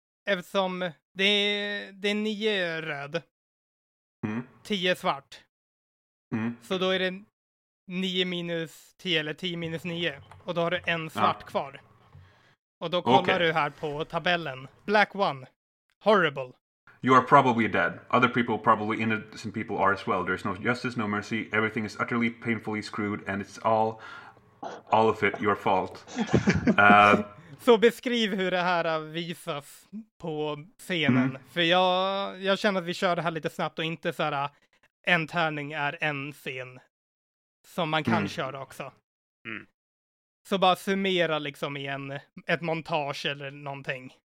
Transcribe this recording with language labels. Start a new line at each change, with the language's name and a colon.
Swedish: Eftersom det är 9 röd. 10 svart. Så då är det 9 minus 10 eller 10 minus 9. Och då har du en svart kvar. Och då kollar du här på tabellen.
English: Black one. Horrible. You are probably dead. Other people, probably innocent people, are as well. There is no justice, no mercy. Everything is utterly painfully screwed, and it's all of it your fault.
Swedish: Så beskriv hur det här visas på scenen. Mm. För jag känner att vi kör det här lite snabbt och inte så här en tärning är en scen som man kan köra också. Mm. Så bara summera liksom i ett montage eller någonting.